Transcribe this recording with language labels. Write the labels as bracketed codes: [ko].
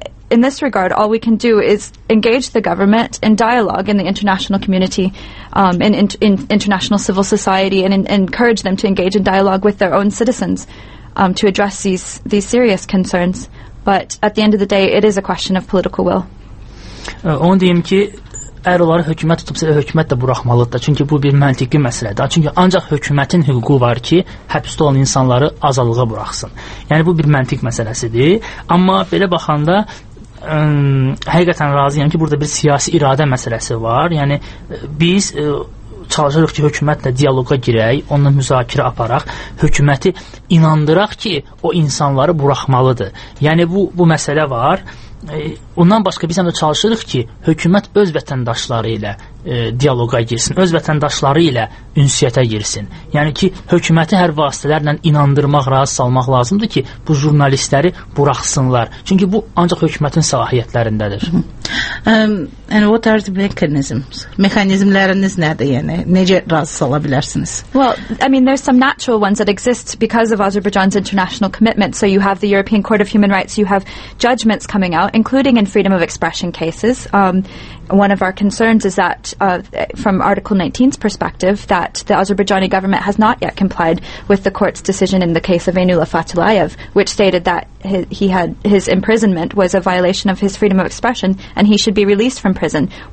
[en] In this regard, all we can do is engage the government in dialogue in the international community, in international civil society, and encourage them to engage in dialogue with their own citizens to address these serious concerns. But at the end of the day, it is a question of political will. [az] Onu deyim ki, əgər onları hökumət tutubsa, hökumət də buraxmalıdır. Çünki bu bir məntiqi məsələdir. Çünki ancaq hökumətin hüququ var ki, həbsdə olan insanları azadlığa buraxsın. Yəni, bu bir məntiq məsələsidir. Amma belə baxanda, həqiqətən razıyam ki, burada bir siyasi iradə məsələsi var. Yəni, biz çalışırıq ki, hökumətlə dialoqa girək, onunla müzakirə aparaq, hökuməti inandıraq ki, o insanları buraxmalıdır. Yəni, bu məsələ var. Ondan başqa biz həm də çalışırıq ki, hökumət öz vətəndaşları ilə, dialoga girsin, öz vətəndaşları ilə ünsiyyətə girsin. Yəni ki, hökuməti hər vasitələrlə inandırmaq, rahat salmaq lazımdır ki, bu jurnalistləri buraxsınlar. Çünki bu ancaq hökumətin səlahiyyətlərindədir. [en] And what are the mechanisms? [az] Mexanizmləriniz nədir yəni? Necə razı sala bilərsiniz? [en] Well, I mean, there's some natural ones that exist because of Azerbaijan's international commitment. So you have the European Court of Human Rights, you have judgments coming out, including in freedom of expression cases. One of our concerns is that from Article 19's perspective, that the Azerbaijani government has not yet complied with the court's decision in the case of Enula Fatulayev, which stated that his imprisonment was a violation of his freedom of expression and he should be released from prison.